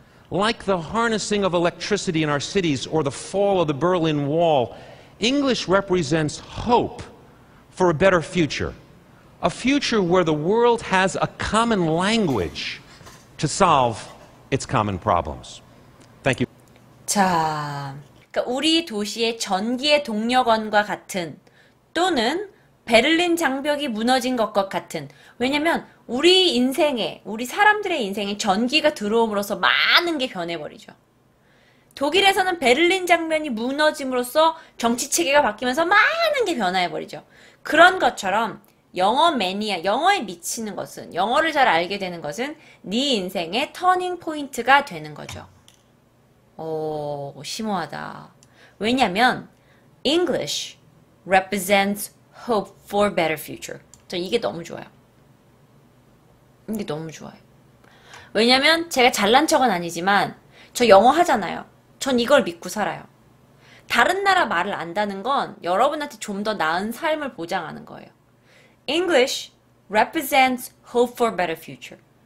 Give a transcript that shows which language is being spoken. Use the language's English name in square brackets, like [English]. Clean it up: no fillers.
[English] Like the harnessing of electricity in our cities or the fall of the Berlin Wall, English represents hope for a better future. A future where the world has a common language to solve its common problems. Thank you. [Korean] 자. 우리 도시의 전기의 동력원과 같은 또는 베를린 장벽이 무너진 것과 같은 왜냐면 우리 인생에 우리 사람들의 인생에 전기가 들어옴으로써 많은 게 변해버리죠. 독일에서는 베를린 장벽이 무너짐으로써 정치체계가 바뀌면서 많은 게 변화해버리죠. 그런 것처럼 영어 매니아, 영어에 미치는 것은 영어를 잘 알게 되는 것은 네 인생의 터닝 포인트가 되는 거죠. 오, 심오하다. [English] 왜냐면 English represents hope for better future. [Korean] 저 이게 너무 좋아요. 이게 너무 좋아요. 왜냐면 제가 잘난 척은 아니지만 저 영어 하잖아요. 전 이걸 믿고 살아요. 다른 나라 말을 안다는 건 여러분한테 좀 더 나은 삶을 보장하는 거예요. [English] English represents hope for better future.